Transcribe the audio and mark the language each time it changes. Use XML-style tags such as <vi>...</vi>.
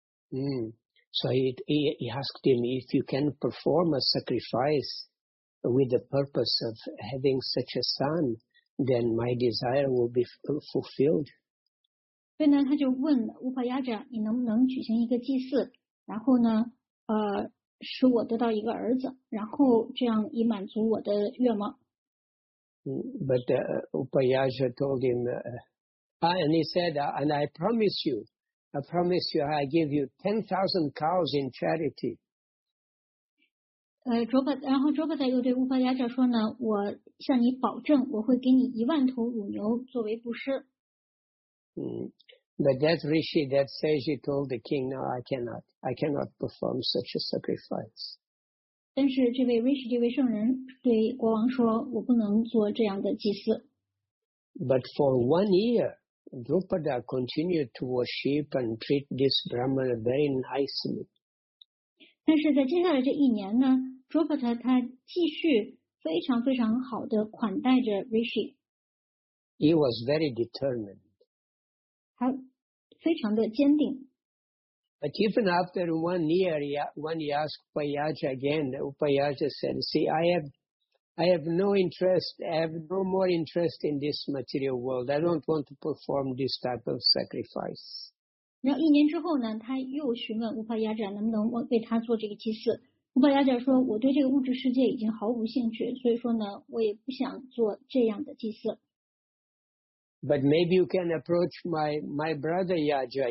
<en>So he asked him if you can perform a sacrifice with the purpose of having such a son, then my desire will be fulfilled.</en> <zh>所以呢，他就问乌帕亚扎，你能不能举行一个祭祀，然后呢，使我得到一个儿子，然后这样以满足我的愿望。</zh> <en>But Upayaja told him. And he said, and I promise you, I promise you, I give you 10,000 cows in charity.</en> <zh>然后卓伯特又对乌帕亚扎说呢，我向你保证，我会给你一万头乳牛作为布施。</zh> <en>But that Rishi, that Sage, told the king, no, I cannot perform such a sacrifice.</en> <zh>但是这位 Rishi, 这位圣人对国王说，我不能做这样的祭祀。</zh> <en>But for 1 year, Drupada continued to worship and treat this Brahmana very nicely.</en> <zh>但是在接下来这一年呢， Drupada 他继续非常非常好的款待着 Rishi.</zh> <en>He was very determined.</en> <zh>他非常的坚定。</zh> <en>But even after 1 year, when he asked Upayaja again, Upayaja said, see, I have no more interest in this material world. I don't want to perform this type of sacrifice.</en> <zh>然后一年之后呢，他又询问乌帕亚扎能不能为他做这个祭祀。乌帕亚扎说，我对这个物质世界已经毫无兴趣，所以说呢，我也不想做这样的祭祀。</zh> <en>But maybe you can approach my brother Yaja.</en>